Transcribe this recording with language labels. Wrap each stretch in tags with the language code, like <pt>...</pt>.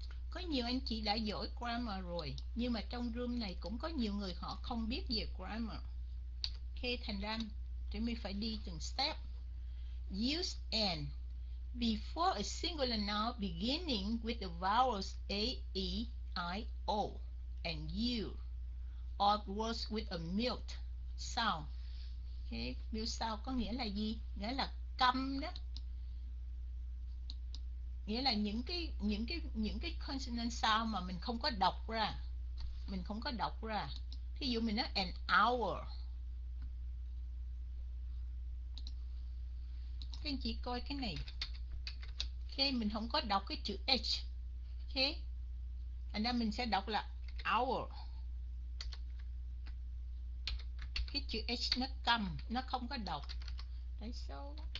<vi>Có nhiều anh chị đã giỏi grammar rồi, nhưng mà trong room này cũng có nhiều người họ không biết về grammar. Okay, thành ra, thì mình phải đi từng step.</vi> <en>Use and. Before a singular noun beginning with the vowels A, E, I, O, and U, or words with a mute sound.</en> <vi>Thế bill sau có nghĩa là gì? Nghĩa là câm đó, nghĩa là những cái consonant sound mà mình không có đọc ra, mình không có đọc ra. Ví dụ mình nói an hour, các anh chị coi cái này, ok, mình không có đọc cái chữ h, ok, thành ra mình sẽ đọc là hour, cái chữ h nó câm, nó không có đọc. Tại sao?</vi>